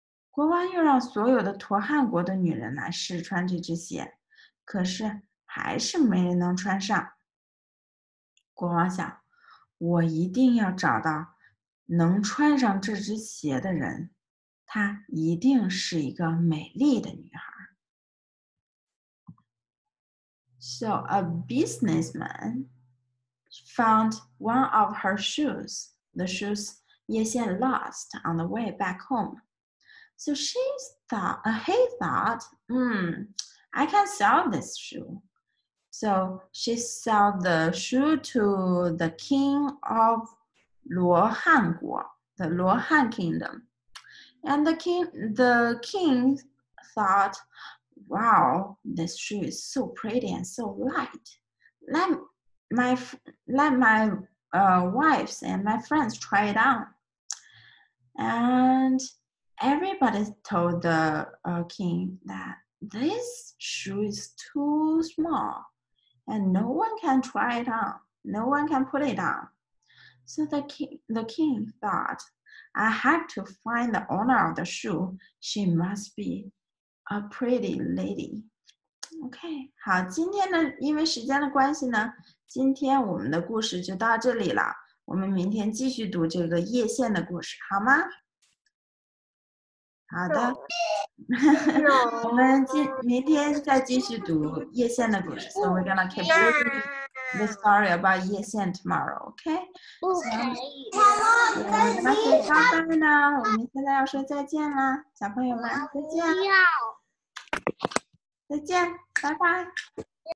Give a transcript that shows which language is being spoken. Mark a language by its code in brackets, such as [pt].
[zh] 国王又让所有的陀汉国的女人来试穿这只鞋，可是还是没人能穿上。国王想，我一定要找到能穿上这只鞋的人，她一定是一个美丽的女孩。 [en] So a businessman found one of her shoes. The shoes Ye Xian lost on the way back home. So she thought, he thought, I can sell this shoe. So she sold the shoe to the king of Luohanguo, the Luohan kingdom. And the king thought, wow, this shoe is so pretty and so light. Let my wives and my friends try it on. And everybody told the king that this shoe is too small and no one can try it on. No one can put it on. So the king thought, I have to find the owner of the shoe. She must be a pretty lady. [zh] Okay, 好，今天呢，因为时间的关系呢，今天我们的故事就到这里了。我们明天继续读这个叶线的故事，好吗？好的，我们明天再继续读叶线的故事。 [en] So we're gonna keep reading the story about Ye Xian tomorrow, okay? Okay. So, yeah, bye bye now. [zh] 我们现在要说再见啦，小朋友们，再见。再见，拜拜。